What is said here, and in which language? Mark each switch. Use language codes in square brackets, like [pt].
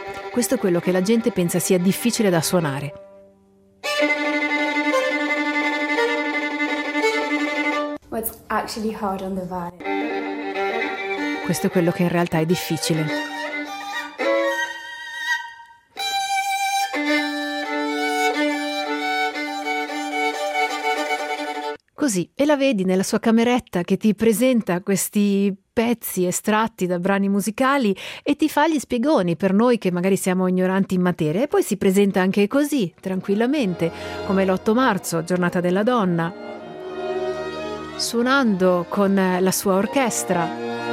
[it] Questo è quello che la gente pensa sia difficile da suonare. [en] What's actually hard on the violin? [it] Questo è quello che in realtà è difficile. Così, e la vedi nella sua cameretta che ti presenta questi pezzi estratti da brani musicali e ti fa gli spiegoni per noi che magari siamo ignoranti in materia, e poi si presenta anche così, tranquillamente, come l'8 marzo, giornata della donna, suonando con la sua orchestra.